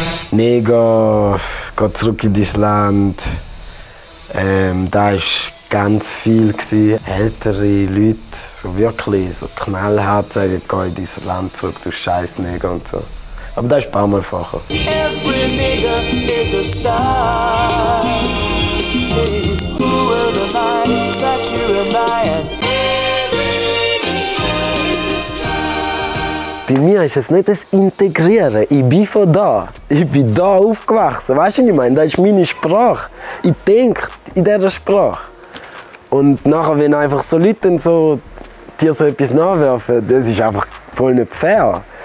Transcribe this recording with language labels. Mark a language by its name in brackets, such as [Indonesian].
[German] Nee, geh zurück in dein Land. Da war ganz viel. Ältere Leute, so wirklich so knallhart, sagen, geh in dein Land zurück, du scheiß Neger und so. Aber das ist ein paar Mal vorher. [English] Every nigga is a star. Hey, who will decide that you and I and every nigga is a star. [German] Bei mir ist es nicht das Integrieren. Ich bin von da. Ich bin da aufgewachsen. Weißt du, was ich meine? Das ist meine Sprache. Ich denke in dieser Sprache. Und nachher, wenn einfach so Leute so dir so etwas nachwerfen, das ist einfach voll nicht fair.